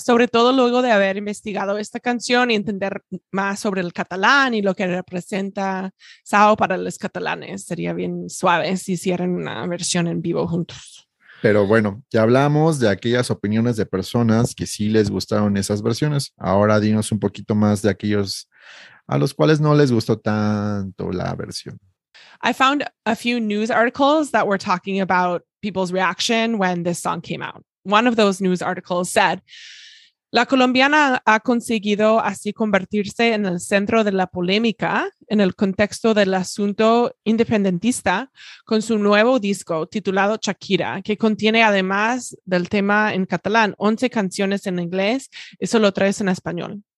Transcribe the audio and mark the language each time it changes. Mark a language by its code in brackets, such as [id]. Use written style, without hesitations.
[es] Sobre todo luego de haber investigado esta canción y entender más sobre el catalán y lo que representa Sao para los catalanes. Sería bien suave si hicieran una versión en vivo juntos. Pero bueno, ya hablamos de aquellas opiniones de personas que sí les gustaron esas versiones. Ahora dinos un poquito más de aquellos a los cuales no les gustó tanto la versión. [en] I found a few news articles that were talking about people's reaction when this song came out. One of those news articles said, [es] La colombiana ha conseguido así convertirse en el centro de la polémica en el contexto del asunto independentista con su nuevo disco titulado Shakira, que contiene además del tema en catalán 11 canciones en inglés y solo 3 en español.